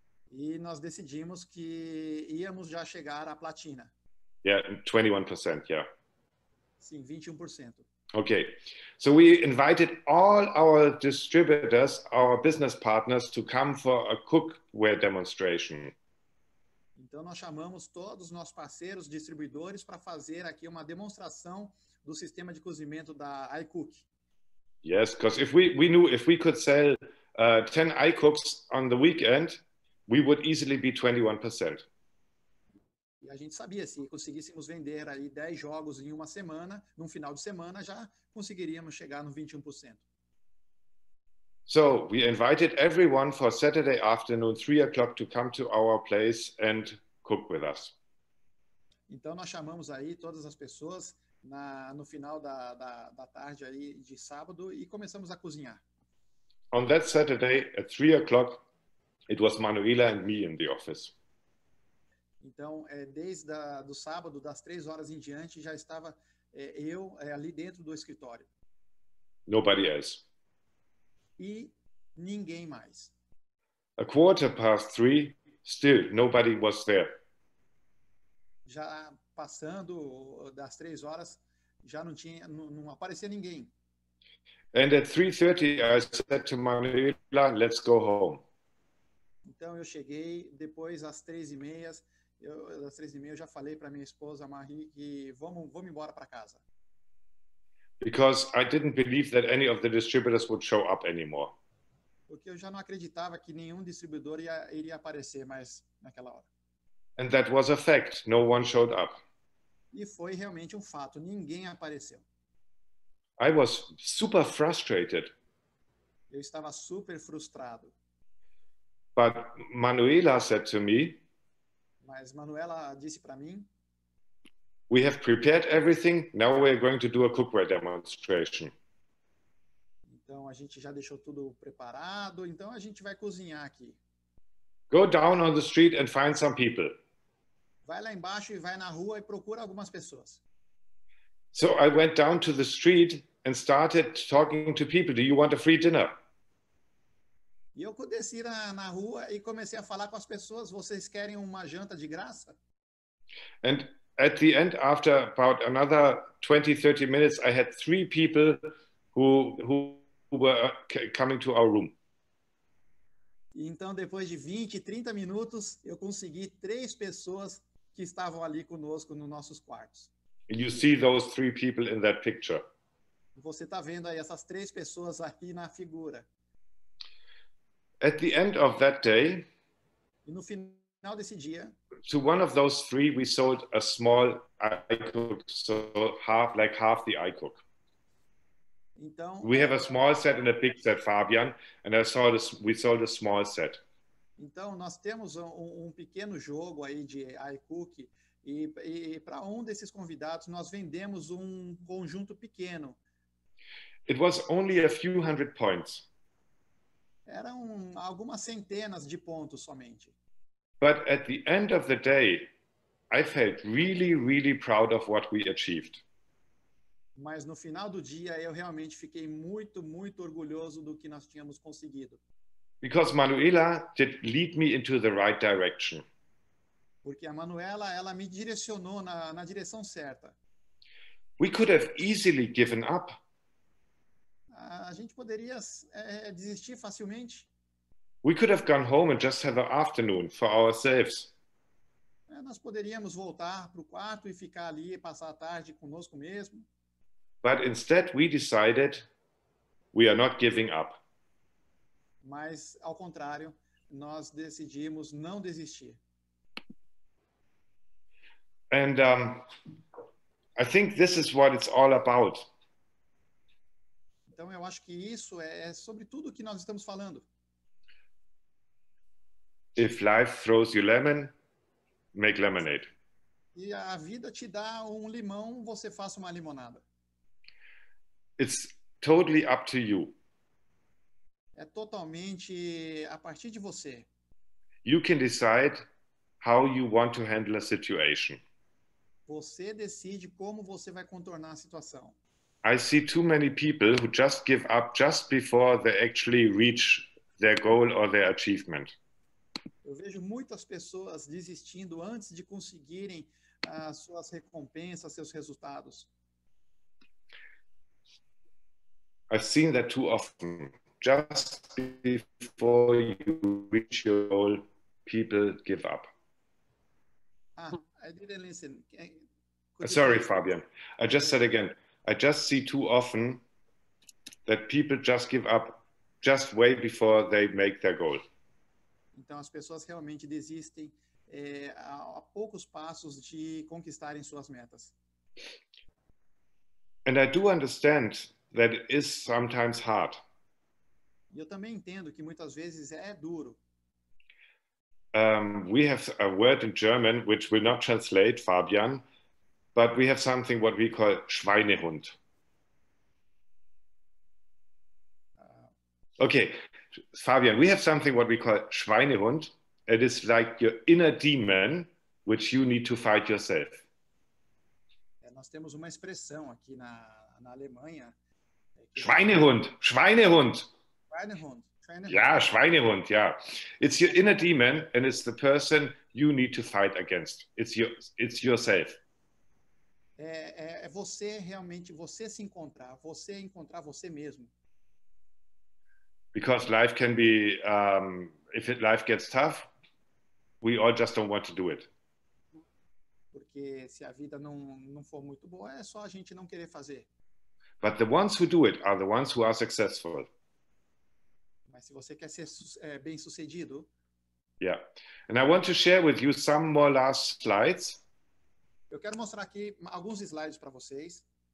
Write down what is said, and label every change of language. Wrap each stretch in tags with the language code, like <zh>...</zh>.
<pt>E nós decidimos que íamos já chegar à platina.</pt> <en>Yeah, 21%, yeah.</en> <pt>Sim, 21%.</pt> <en>Okay. So we invited all our distributors, our business partners to come for a cookware demonstration.</en> <pt>Então nós chamamos todos os nossos parceiros distribuidores para fazer aqui uma demonstração do sistema de cozimento da iCook.</pt> <en>Yes, because if we knew if we could sell 10 iCooks on the weekend, we would easily be 21%.</en> <pt>E a gente sabia, se conseguíssemos vender aí 10 jogos em uma semana, num final de semana, já conseguiríamos chegar no 21%.</pt> <en>So, we invited everyone for Saturday afternoon, 3 o'clock, to come to our place and cook with us.</en> <pt>Então, nós chamamos aí todas as pessoas no final da tarde aí de sábado e começamos a cozinhar.</pt> <en>On that Saturday, at 3 o'clock, it was Manuela and me in the office.</en> <pt>Então, desde do sábado, das 3 horas em diante, já estava eu ali dentro do escritório.</pt> <en>Nobody else.</en> <pt>E ninguém mais.</pt> <en>A quarter past three, still nobody was there.</en> <pt>Já passando das 3 horas, já não tinha, não aparecia ninguém.</pt> <en>And at 3:30, I said to Manuela, let's go home.</en> <pt>Então, eu cheguei, depois, às 3:30, às 3:30 eu já falei para minha esposa Marie que vamos embora para casa.</pt> <en>Because I didn't believe that any of the distributors would show up anymore.</en> <pt>Porque eu já não acreditava que nenhum distribuidor iria aparecer mais naquela hora.</pt> <en>And that was a fact. No one showed up.</en> <pt>E foi realmente um fato. Ninguém apareceu.</pt> <en>I was super frustrated.</en> <pt>Eu estava super frustrado.</pt> <en>But Manuela said to me,</en> <pt>mas Manuela disse para mim,</pt> <en>we have prepared everything, now we are going to do a cookware demonstration.</en> <pt>Então a gente já deixou tudo preparado, então a gente vai cozinhar aqui.</pt> <en>Go down on the street and find some people.</en> <pt>Vai lá embaixo e vai na rua e procura algumas pessoas.</pt> <en>So I went down to the street and started talking to people. Do you want a free dinner?</en> <pt>E eu desci na rua e comecei a falar com as pessoas. Vocês querem uma janta de graça?</pt> <en>And at the end, after about another 20, 30 minutes, I had three people who were coming to our room.</en> <pt>Então, depois de 20, 30 minutos, eu consegui três pessoas que estavam ali conosco nos nossos quartos.</pt> <en>You see those three people in that picture.</en> <pt>Você está vendo aí essas três pessoas aqui na figura.</pt> <en>At the end of that day,</en> <pt>e no final desse dia,</pt> <en>to one of those three, we sold a small iCook, so half, like half the iCook.</en> <pt>Então,</pt> <en>we have a small set and a big set, Fabian, and I sold we sold a small set.</en> <pt>Então, nós temos um pequeno jogo aí de iCook, e para um desses convidados, nós vendemos um conjunto pequeno.</pt> <en>It was only a few hundred points.</en> <pt>Eram algumas centenas de pontos somente.</pt> <en>But at the end of the day, I felt really, really proud of what we achieved.</en> <pt>Mas no final do dia, eu realmente fiquei muito, muito orgulhoso do que nós tínhamos conseguido.</pt> <en>Because Manuela did lead me into the right direction.</en> <pt>Porque a Manuela, ela me direcionou na direção certa.</pt> <en>We could have easily given up.</en> <pt>A gente poderia desistir facilmente.</pt> <en>We could have gone home and just have an afternoon for ourselves.</en> <pt>Nós poderíamos voltar para o quarto e ficar ali e passar a tarde conosco mesmo.</pt> <en>But instead we decided we are not giving up.</en> <pt>Mas, ao contrário, nós decidimos não desistir.</pt> <en>And I think this is what it's all about.</en> <pt>Então, eu acho que isso é sobre tudo que nós estamos falando.</pt> <en>If life throws you lemon, make lemonade.</en> <pt>E a vida te dá um limão, você faça uma limonada.</pt> <en>It's totally up to you.</en> <pt>É totalmente a partir de você.</pt> <en>You can decide how you want to handle a situation.</en> <pt>Você decide como você vai contornar a situação.</pt> <en>I see too many people who just give up just before they actually reach their goal or their achievement.</en> <pt>Eu vejo muitas pessoas desistindo antes de conseguirem as suas recompensas, seus resultados.</pt> <en>I've seen that too often. Just before you reach your goal, people give up. I didn't listen. Sorry, Fabian. I just said again. I just see too often that people just give up just way before they make their goal.</en> <pt>Então as pessoas realmente desistem a poucos passos de conquistarem suas metas.</pt> <en>And I do understand that it is sometimes hard.</en> <pt>Eu também entendo que muitas vezes é duro.</pt> <en>We have a word in German which will not translate, Fabian. But we have something what we call Schweinehund. Okay, Fabian, we have something what we call Schweinehund. It is like your inner demon, which you need to fight yourself.</en> <pt>Nós temos uma expressão aqui na Alemanha.</pt> <de>Schweinehund, Schweinehund. Schweinehund, Schweinehund.</de> <en>Yeah, Schweinehund, yeah. It's your inner demon and it's the person you need to fight against. It's yourself.</en> <pt>É você realmente, você se encontrar, você encontrar você mesmo.</pt> <en>Because life can be, if life gets tough, we all just don't want to do it.</en> <pt>Porque se a vida não for muito boa, é só a gente não querer fazer.</pt> <en>But the ones who do it are the ones who are successful.</en> <pt>Mas se você quer ser bem sucedido,</pt> <en>Yeah. And I want to share with you some more last slides.</en> <pt>Eu quero mostrar aqui alguns slides para vocês.</pt>